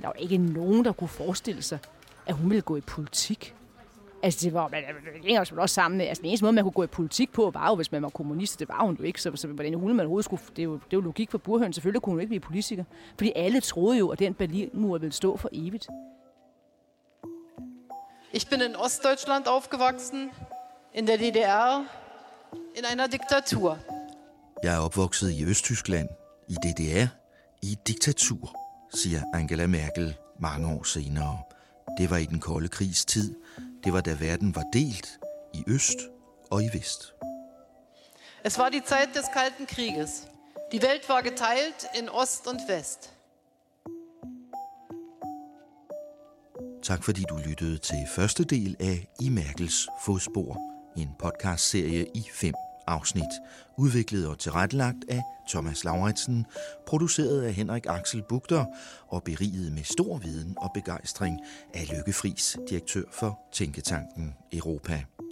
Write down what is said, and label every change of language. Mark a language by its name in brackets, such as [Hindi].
[Danish] Der var ikke nogen, der kunne forestille sig, at hun ville gå i politik. Altså, det var, man også sammen med, altså, den eneste måde, man kunne gå i politik på, var jo, hvis man var kommunist, det var hun jo ikke, så hvordan hun overhovedet skulle, det er jo logik for burhøn, selvfølgelig kunne hun ikke blive politiker, fordi alle troede jo, at den Berlinmur ville stå for evigt. [German] Ich bin in Ostdeutschland aufgewachsen, in der DDR, in einer Diktatur. [Danish] Jeg er opvokset i Østtyskland, i DDR, i et diktatur, siger Angela Merkel mange år senere. Det var i den kolde krigs tid. Det var, da verden var delt i øst og i vest. [German] Es war die Zeit des Kalten Krieges. Die Welt war geteilt in Ost und West. [Danish] Tak fordi du lyttede til første del af I Merkels Fodspor, en podcastserie i 5 afsnit, udviklet og tilrettelagt af Thomas Lauritsen, produceret af Henrik Axel Bugter og beriget med stor viden og begejstring af Lykke Friis, direktør for Tænketanken Europa.